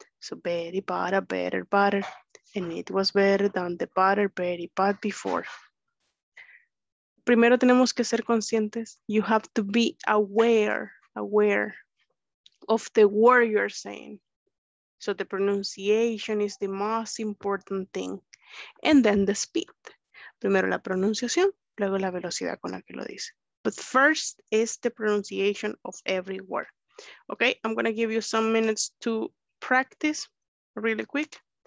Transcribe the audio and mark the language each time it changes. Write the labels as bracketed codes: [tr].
[en] So very but a better butter, and it was better than the butter very but before. [es] Primero tenemos que ser conscientes. [en] You have to be aware, aware of the word you're saying. So the pronunciation is the most important thing. And then the speed. [es] Primero la pronunciación, luego la velocidad con la que lo dice. [en] But first is the pronunciation of every word. Okay, I'm going to give you some minutes to practice really quick.